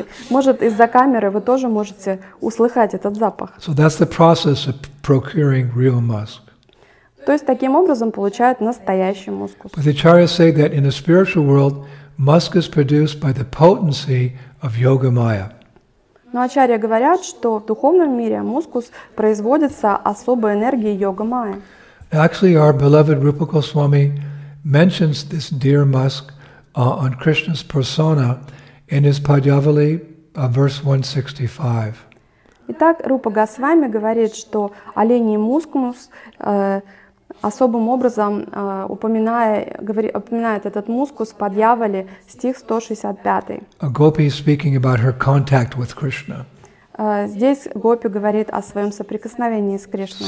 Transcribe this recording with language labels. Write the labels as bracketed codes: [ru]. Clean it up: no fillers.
[ru] Может, из-за камеры вы тоже можете услыхать этот запах. [en] So that's the process of procuring real musk. [ru] То есть таким образом получают настоящий мускус. [en] But the acharyas say that in the spiritual world, musk is produced by the potency of yoga maya. [ru] Но ачарьи говорят, что в духовном мире мускус производится особой энергией йога майя. [en] Actually, our beloved Rupa Goswami mentions this deer musk on Krishna's persona in his Padyavali, verse 165. [ru] Итак, Рупа Госвами говорит, что оленьий мускус особым образом упоминает этот мускус в Падьявале, стих 165. [en] A gopi speaking about her contact with Krishna. [ru] Здесь гопи говорит о своем соприкосновении с Кришной.